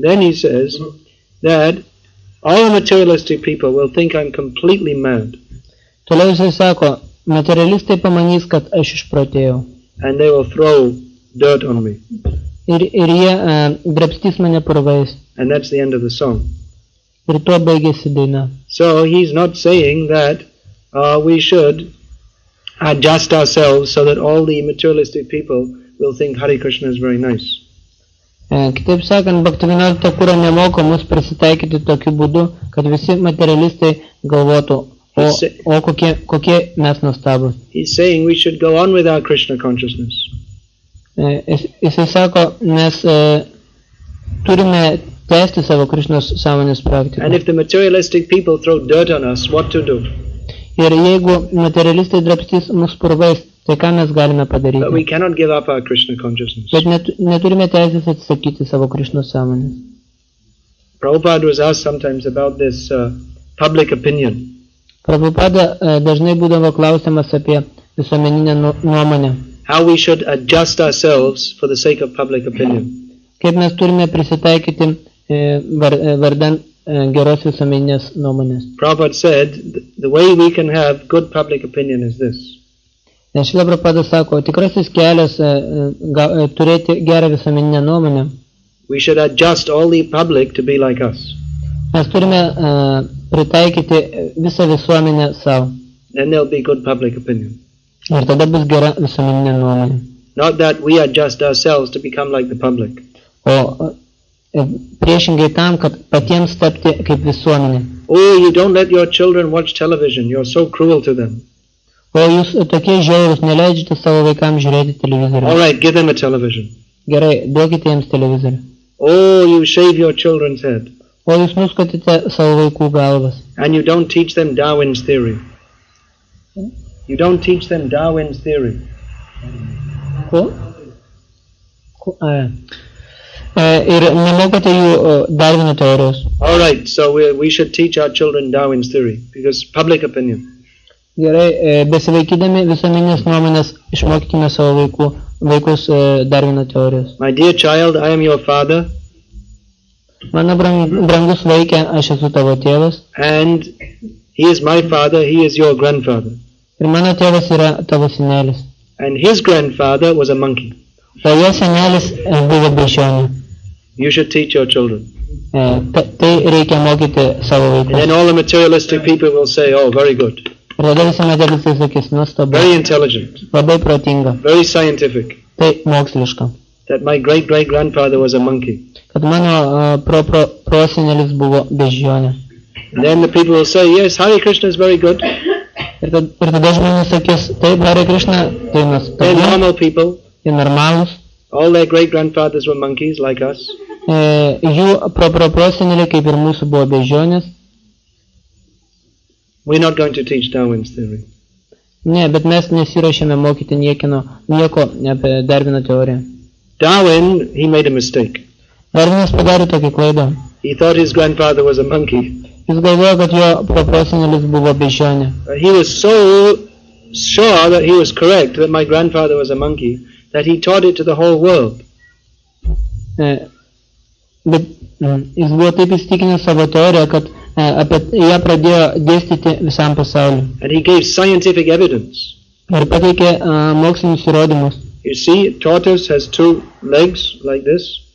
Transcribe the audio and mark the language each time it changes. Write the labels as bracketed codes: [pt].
[en] Then he says that all materialistic people will think I'm completely mad. [lt] Toliau jisai sako, materialistai pamanys, kad aš išprotėjau. [en] And they will throw dirt on me. [lt] Ir jie drabstys mane purvais. [en] And that's the end of the song. [lt] Ir tuo baigėsi daina. [en] So he's not saying that we should adjust ourselves so that all the materialistic people will think Hare Krishna is very nice. [lt] Kitaip sakant, Bhaktivinoda Thakura nemoko mus prisitaikyti tokiu būdu, kad visi materialistai galvotų, o kokie mes nuostabūs. [en] He's saying we should go on with our Krishna consciousness. [lt] Jisai sako, mes turime tęsti savo Krishnos sąmonės praktiką. [en] And if the materialistic people throw dirt on us, what to do? [lt] Ir jeigu materialistai drabstys mus purvais, tai ką mes galime padaryti? [en] But we cannot give up our Krishna consciousness. [lt] Bet neturime teisės atsisakyti savo Krishna sąmonės. [en] Prabhupada was asked sometimes about this public opinion. [lt] Prabhupada dažnai būdavo klausiamas apie visuomeninę nuomonę. [en] How we should adjust ourselves for the sake of public opinion. [lt] Kaip mes turime prisitaikyti vardan geros visuomeninės nuomonės. [en] Prabhupada said the way we can have good public opinion is this. [lt] Nes Šrila Prabhupada sako, tikrasis kelias turėti gerą visuomeninę nuomonę. [en] We should adjust all the public to be like us. [lt] Mes turime pritaikyti visą visuomenę savo. [en] Then there'll be good public opinion. [lt] Ir tada bus gera visuomeninė nuomonė. [en] Not that we adjust ourselves to become like the public. [lt] O priešingai tam, kad patiems tapti kaip visuomenė. [en] Oh, you don't let your children watch television. You're so cruel to them. [lt] O jūs tokie žiaurūs, neleidžiate savo vaikams žiūrėti televizorių. [en] All right, give them a television. [lt] Gerai, duokite jiems televizorių. [en] Oh, you shave your children's head. [lt] O jūs nuskutite savo vaikų galvas. [en] And you don't teach them Darwin's theory. You don't teach them Darwin's theory. [lt] Ko? Ir nemokate jų Darwino teorijos. [en] All right, so we should teach our children Darwin's theory because public opinion. [lt] Gerai, besivaikydami visuomenės nuomonės, išmokykime savo vaikus Darvino teorijos. [en] My dear child, I am your father. [lt] Mano brangus vaikė, aš esu tavo tėvas. [en] And he is my father, he is your grandfather. [lt] Ir mano tėvas yra tavo senelis. [en] And his grandfather was a monkey. [lt] Tai jo senelis buvo beždžionė. [en] You should teach your children. [lt] Tai reikia mokyti savo vaikus. [en] And then all the materialistic people will say, oh, very good. Very intelligent. [lt] Labai protinga. [en] Very scientific. [lt] Tai moksliška. [en] That my great-great-grandfather was a monkey. [lt] Kad mano prosenelis buvo beždžionė. [en] Then the people will say, yes, Hare Krishna is very good. [lt] ir tada žmonės sakys, taip, Hare Krishna, tai mes tokie, jie normalūs. [en] All their great grandfathers were monkeys like us. [lt] Jų proproseneliai kaip ir mūsų buvo beždžionės. [en] We're not going to teach Darwin's theory. [lt] Ne, bet mes nesiruošėme mokyti nieko apie Darvino teoriją. [en] Darwin, he made a mistake. [lt] Darvinas padarė tokį klaidą. [en] He thought his grandfather was a monkey. [lt] Jis galvojo, kad jo proprosenelis buvo beždžionė. [en] He was so sure that he was correct, that my grandfather was a monkey, that he taught it to the whole world. [lt] Bet jis buvo taip įstikinęs savo teoriją, kad apie ją pradėjo dėstyti visam pasauliu. [en] And he gave scientific evidence. [lt] Ir pateikė mokslinius įrodymus. [en] You see, tortoise has two legs like this.